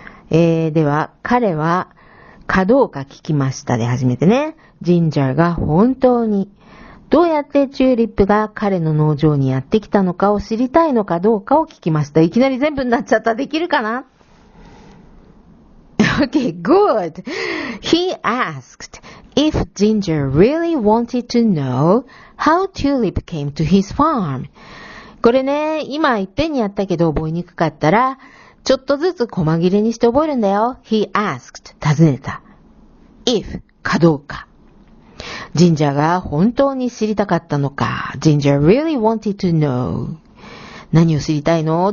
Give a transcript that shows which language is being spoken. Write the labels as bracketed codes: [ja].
[ja] では、彼は、かどうか聞きましたで始めてね。ジンジャーが本当に、どうやってチューリップが彼の農場にやってきたのかを知りたいのかどうかを聞きました。いきなり全部になっちゃった。できるかな？ [en] Okay, good. He asked if Ginger really wanted to know how Tulip came to his farm. [ja] これね、今いっぺんにやったけど覚えにくかったら、ちょっとずつ細切れにして覚えるんだよ。 [en] He asked, [ja] 尋ねた。If かどうか。ジンジャーが本当に知りたかったのか。ジンジャー [en] really wanted to know. [ja] 何を知りたいの？